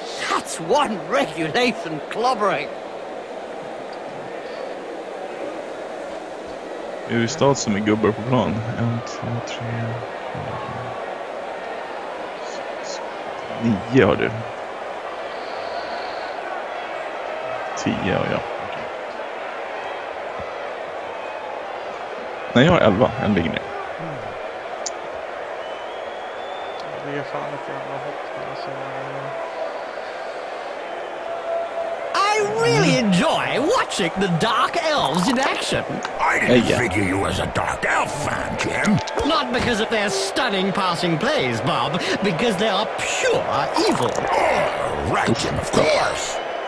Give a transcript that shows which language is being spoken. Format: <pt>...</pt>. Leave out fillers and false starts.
<en>That's one regulation clobbering.</en> <sv>Är det stad som är gubbar på plan? 1, 2, 3... 9 har du. 10 har jag. Nej, jag har 11. En ligger ner. Det är fan ett jävla hopp. Alltså.</sv> <en>I really enjoy watching the Dark Elves in action. I didn't figure you as a Dark Elf fan, Jim. Not because of their stunning passing plays, Bob. Because they are pure evil. Oh, right, Jim, of course.</en>